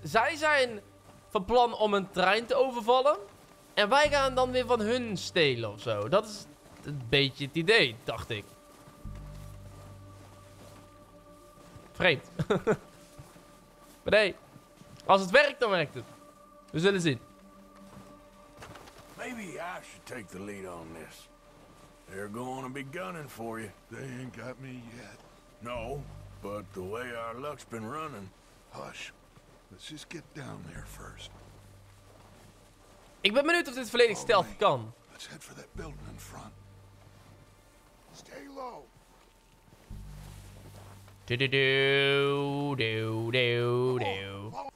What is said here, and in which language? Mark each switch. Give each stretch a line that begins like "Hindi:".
Dutch: Zij zijn van plan om een trein te overvallen. En wij gaan dan weer van hun stelen ofzo. Dat is een beetje het idee, dacht ik. Vreemd. Maar nee. Als het werkt, dan werkt het. We zullen zien.
English: Maybe I should take the lead on this. They're gonna be gunning for you. They ain't got me yet. No, but the way our luck's been running. Hush. Let's just get down there first.
Dutch: Ik ben benieuwd of dit volledig stealth kan.
English: Let's head for that building in front. Stay low. Do do do do do do.